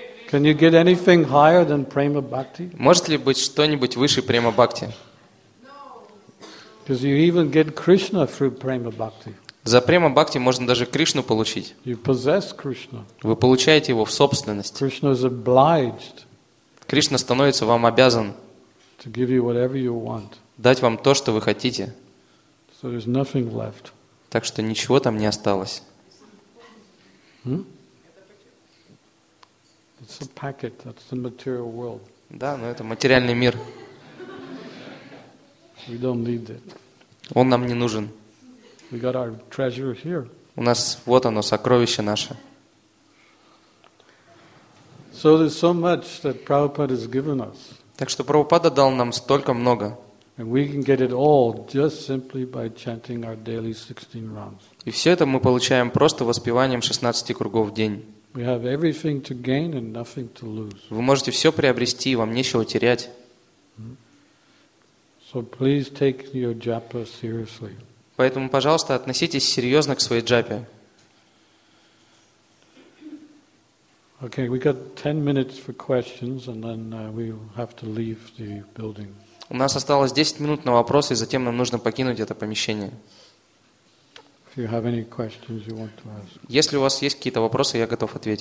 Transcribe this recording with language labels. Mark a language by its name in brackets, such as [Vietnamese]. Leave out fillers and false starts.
[English] Can you get anything higher than prema bhakti? [Russian] Может ли быть что-нибудь выше према бхакти? [English] Because you even get Krishna through prema bhakti. [Russian] За према бхакти можно даже Кришну получить. [English] You possess Krishna. [Russian] Вы получаете его в собственность. [English] Krishna is obliged. [Russian] Кришна становится вам обязан. [English] To give you whatever you want. [Russian] Дать вам то, что вы хотите. [English] So there's nothing left. [Russian] Так что ничего там не осталось. [English] It's a packet. That's the material world. [Russian] Да, но это материальный мир. [English] We don't need that. [Russian] Он нам не нужен. [English] We got our treasure here. [Russian] У нас вот оно, сокровище наше. [English] So there's so much that Prabhupada has given us. [Russian] Так что Прабхупада дал нам столько много. [English] And we can get it all just simply by chanting our daily 16 rounds. [Russian] И все это мы получаем просто воспеванием 16 кругов в день. [English] We have everything to gain and nothing to lose. [Russian] Вы можете все приобрести, вам нечего терять. [English] So please take your japa seriously. [Russian] Поэтому, пожалуйста, относитесь серьезно к своей джапе. [English] Okay, we got 10 minutes for questions and then we have to leave the building. [Russian] У нас осталось 10 минут на вопросы, и затем нам нужно покинуть это помещение. Если у вас есть какие-то вопросы, я готов